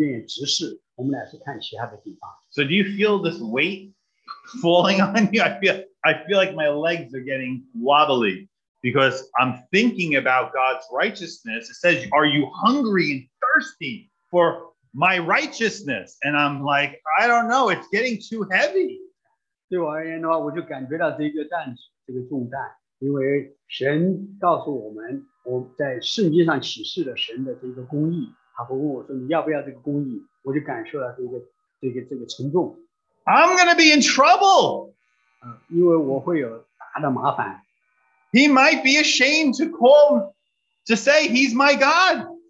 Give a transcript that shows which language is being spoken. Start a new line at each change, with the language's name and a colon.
Chinese: 对我们而言的话，我们是站在一个踏板上，我们离的日头还很远，但是我们也不愿意直视，我们俩是看其他的地方。
English: So do you feel this weight falling on you? I feel like my legs are getting wobbly. Because I'm thinking about God's righteousness. It says, are you hungry and thirsty for my righteousness? And I'm like, I don't know. It's getting too heavy.
Chinese: 对我而言的话，我就感觉到这个担子，这个重担。因为神告诉我们，我在圣经上启示的神的这个公义，他会问我说，你要不要这个公义？我就感受到这个沉重。
English: I'm going to be in trouble.
Chinese: 因为我会有大的麻烦。
English: He might be ashamed to call, to say he's my God.